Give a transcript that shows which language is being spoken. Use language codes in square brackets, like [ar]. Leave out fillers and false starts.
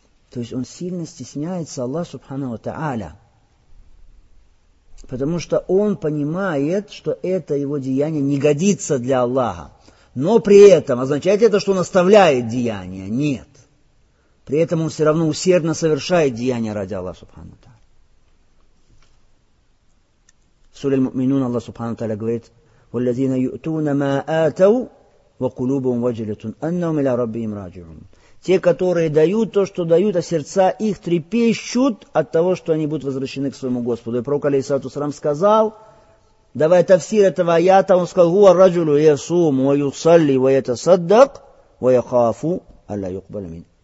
[ru] То есть он сильно стесняется Аллаха Субхану ва Тааля. Потому что он понимает, что это его деяние не годится для Аллаха. Но при этом, означает это, что он оставляет деяния? Нет. При этом он все равно усердно совершает деяния ради Аллаха Субхану ва Тааля. В суре Аль-Муминун Аллах Субхану ва Тааля говорит: [ar] وَالَّذِينَ يُؤْتُونَ مَا آتَوْا وَقُلُوبُهُمْ وَجِلَةٌ أَنَّهُمْ إِلَى رَبِّهِمْ رَاجِعُونَ. [ru] Те, которые дают то, что дают, а сердца их трепещут от того, что они будут возвращены к своему Господу. И пророк, алейхиссалату вассалям, сказал, давай тафсир этого аята, он сказал, [ar] هُوَ الرَّجُلُ يَصُومُ وَيُصَلِّ وَيَتَصَدَّقْ وَيَخَافُ أَلَّا يُقْبَلَ مِنْهُ.